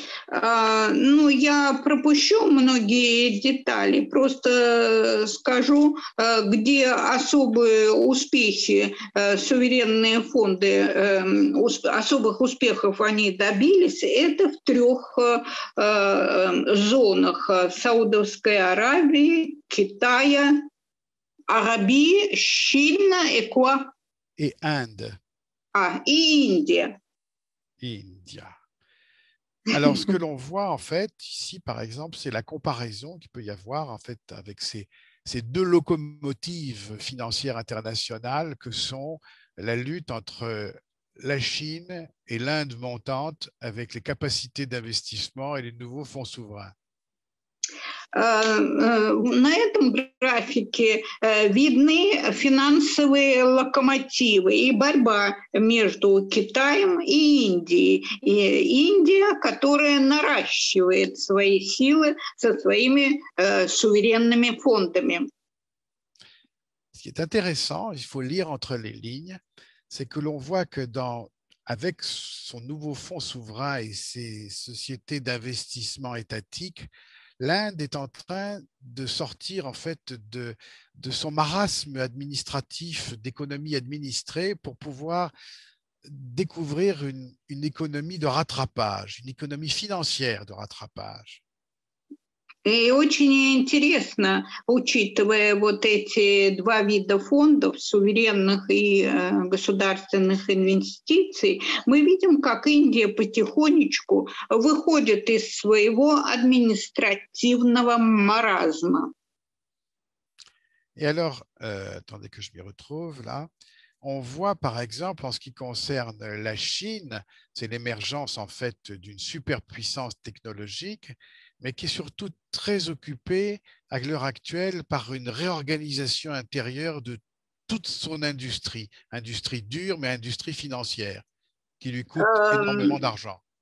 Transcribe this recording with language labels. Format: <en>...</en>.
<ru>Ну, я пропущу многие детали, просто скажу, где особые успехи, суверенные фонды, особых успехов они добились. Это в трех зонах: Саудовской Аравии, Китая, Арабии, Чина, Экуа,</ru> <fr>Et Inde.</fr> <ru>и Индия.</ru> <en>India.</en> <fr>Alors, ce que l'on voit en fait ici, par exemple, c'est la comparaison qu'il peut y avoir en fait avec ces deux locomotives financières internationales que sont la lutte entre la Chine et l'Inde montante avec les capacités d'investissement et les nouveaux fonds souverains.</fr> <ru>На этом графике видны финансовые локомотивы и борьба между Китаем и Индией. И Индия, которая наращивает свои силы со своими суверенными фондами.</ru> <fr>Ce qui est intéressant, il faut lire entre les lignes, c'est que l'on voit que avec son nouveau fonds souverain et ses sociétés d'investissement étatique, l'Inde est en train de sortir en fait de son marasme administratif, d'économie administrée, pour pouvoir découvrir une économie de rattrapage, une économie financière de rattrapage.</fr> <ru>И очень интересно, учитывая вот эти два вида фондов, суверенных и государственных инвестиций, мы видим, как Индия потихонечку выходит из своего административного маразма.</ru> <fr>Et alors, attendez que je m'y retrouve là. On voit par exemple en ce qui concerne la Chine, c'est l'émergence en fait d'une superpuissance technologique, mais qui est surtout très occupée à l'heure actuelle par une réorganisation intérieure de toute son industrie, industrie dure, mais industrie financière, qui lui coûte énormément d'argent.</fr>